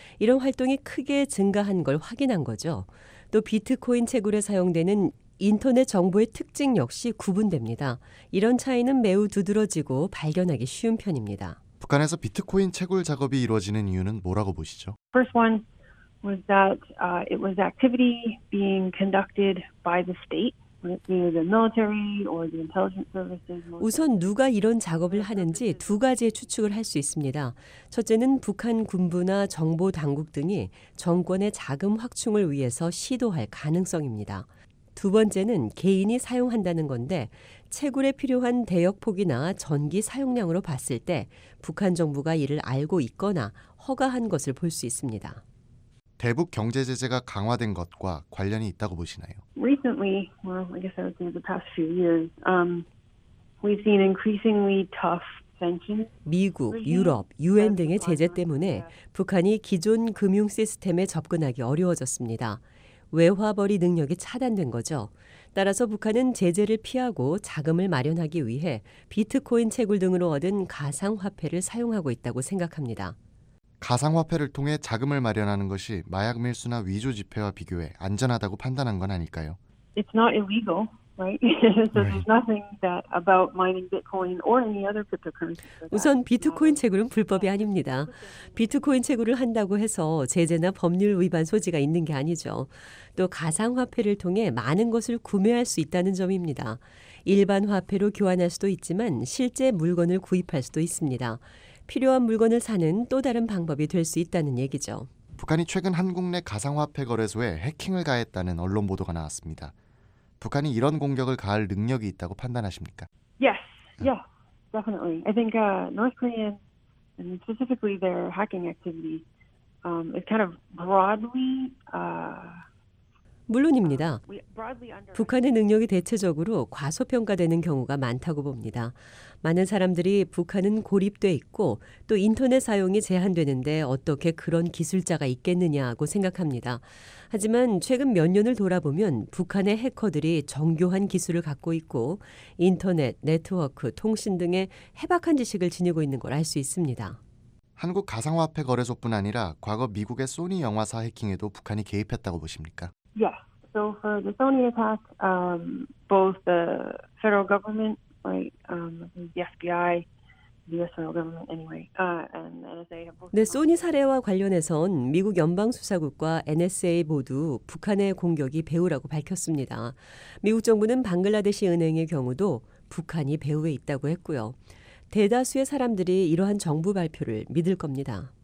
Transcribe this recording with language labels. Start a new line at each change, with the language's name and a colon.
Korean: 이런 활동이 크게 증가한 걸 확인한 거죠. 또 비트코인 채굴에 사용되는 인터넷 정보의 특징 역시 구분됩니다. 이런 차이는 매우 두드러지고 발견하기 쉬운 편입니다. 북한에서 비트코인 채굴 작업이 이루어지는 이유는 뭐라고 보시죠?
English: First one was that it was activity being conducted by the state.
Korean: 우선 누가 이런 작업을 하는지 두 가지의 추측을 할 수 있습니다. 첫째는 북한 군부나 정보 당국 등이 정권의 자금 확충을 위해서 시도할 가능성입니다. 두 번째는 개인이 사용한다는 건데 채굴에 필요한 대역폭이나 전기 사용량으로 봤을 때 북한 정부가 이를 알고 있거나 허가한 것을 볼 수 있습니다. 대북 경제 제재가 강화된 것과 관련이 있다고 보시나요?
English: Recently, well, I guess I would say the past few years, we've seen increasingly tough
Korean: 미국, 유럽, 유엔 등의 제재 때문에 북한이 기존 금융 시스템에 접근하기 어려워졌습니다. 외화벌이 능력이 차단된 거죠. 따라서 북한은 제재를 피하고 자금을 마련하기 위해 비트코인 채굴 등으로 얻은 가상화폐를 사용하고 있다고 생각합니다. 가상화폐를 통해 자금을 마련하는 것이 마약 밀수나 위조 지폐와 비교해 안전하다고 판단한 건 아닐까요?
English: It's not illegal.
Korean: 우선 비트코인 채굴은 불법이 아닙니다. 비트코인 채굴을 한다고 해서 제재나 법률 위반 소지가 있는 게 아니죠. 또 가상화폐를 통해 많은 것을 구매할 수 있다는 점입니다. 일반 화폐로 교환할 수도 있지만 실제 물건을 구입할 수도 있습니다. 필요한 물건을 사는 또 다른 방법이 될 수 있다는 얘기죠. 북한이 최근 한국 내 가상화폐 거래소에 해킹을 가했다는 언론 보도가 나왔습니다. 북한이 이런 공격을 가할 능력이 있다고 판단하십니까?
English: Yes, yeah, definitely. I think North Korean and specifically their hacking activity is kind of broadly.
Korean: 물론입니다. 북한의 능력이 대체적으로 과소평가되는 경우가 많다고 봅니다. 많은 사람들이 북한은 고립돼 있고 또 인터넷 사용이 제한되는데 어떻게 그런 기술자가 있겠느냐고 생각합니다. 하지만 최근 몇 년을 돌아보면 북한의 해커들이 정교한 기술을 갖고 있고 인터넷, 네트워크, 통신 등의 해박한 지식을 지니고 있는 걸 알 수 있습니다. 한국 가상화폐 거래소뿐 아니라 과거 미국의 소니 영화사 해킹에도 북한이 개입했다고 보십니까?
English: Yeah. So for the Sony attack, both the federal government, right, the FBI, the US federal government anyway, and NSA have both.
Korean: 네, 소니 사례와 관련해선 미국 연방 수사국과 NSA 모두 북한의 공격이 배후라고 밝혔습니다. 미국 정부는 방글라데시 은행의 경우도 북한이 배후에 있다고 했고요. 대다수의 사람들이 이러한 정부 발표를 믿을 겁니다.